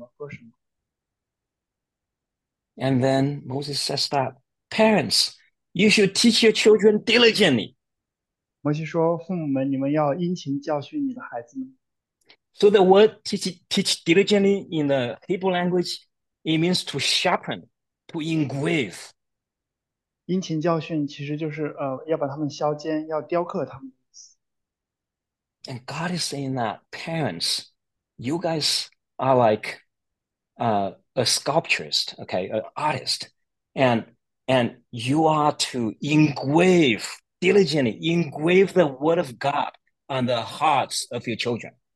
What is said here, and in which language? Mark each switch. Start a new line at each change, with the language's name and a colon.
Chinese: 所以他教导父母们，我们要首先寻求的是神的国和神的义，而不是我们要吃什么喝什么。
English: And then Moses says that, parents, you should teach your children diligently.
Chinese: 摩西说，父母们，你们要殷勤教训你的孩子们。
English: So the word teach diligently in the Hebrew language, it means to sharpen, to engrave.
Chinese: 殷勤教训其实就是要把他们削尖，要雕刻他们。
English: And God is saying that, parents, you guys are like a sculpturist, okay, an artist, and you are to engrave, diligently engrave the word of God on the hearts of your children.